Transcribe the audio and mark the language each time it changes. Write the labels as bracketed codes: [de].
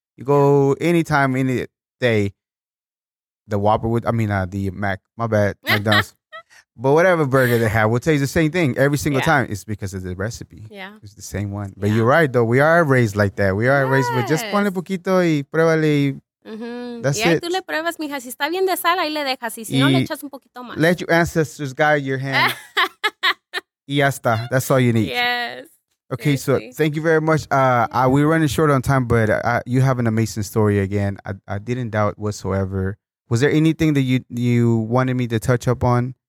[en] You go anytime, any day, the Whopper with, the Mac, my bad, McDonald's. But whatever burger they have, we'll tell you the same thing every single time. It's because of the recipe. Yeah. It's the same one. But you're right, though. We are raised like that. We are raised with just [es] ponle poquito y pruébale. [en] That's it. [es] Y tú le pruebas, mija. Si está bien de sal, ahí le dejas. Y si no, le echas un poquito más. [en] Let your ancestors guide your hand. [es] Y ya está. [en] That's all you need. Yes. Okay, seriously. So thank you very much. We're running short on time, but you have an amazing story again. I didn't doubt whatsoever. Was there anything that you wanted me to touch up on?